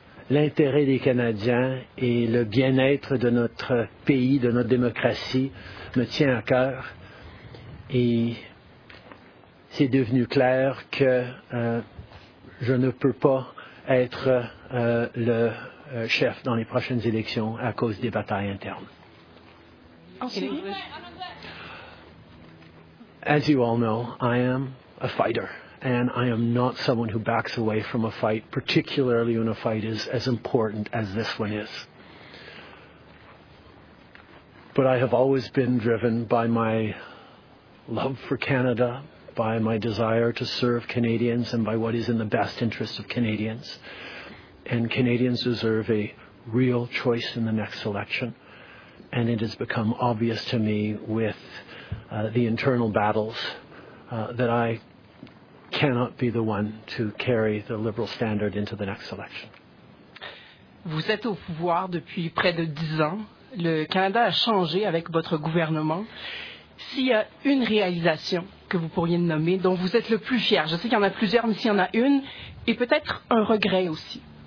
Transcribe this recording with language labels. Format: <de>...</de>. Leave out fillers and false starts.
<fr>l'intérêt des Canadiens et le bien-être de notre pays, de notre démocratie, me tient à cœur. Et c'est devenu clair que je ne peux pas être le chef dans les prochaines élections à cause des batailles internes.</fr> <en>As you all know, I am a fighter, and I am not someone who backs away from a fight, particularly when a fight is as important as this one is. But I have always been driven by my love for Canada, by my desire to serve Canadians, and by what is in the best interest of Canadians. And Canadians deserve a real choice in the next election. And it has become obvious to me with the internal battles that I cannot be the one to carry the Liberal standard into the next election.</en> <fr>Vous êtes au pouvoir depuis près de 10 ans. Le Canada a changé avec votre gouvernement. S'il y a une réalisation que vous pourriez nommer dont vous êtes le plus fier, je sais qu'il y en a plusieurs, mais s'il y en a une, et peut-être un regret aussi.</fr>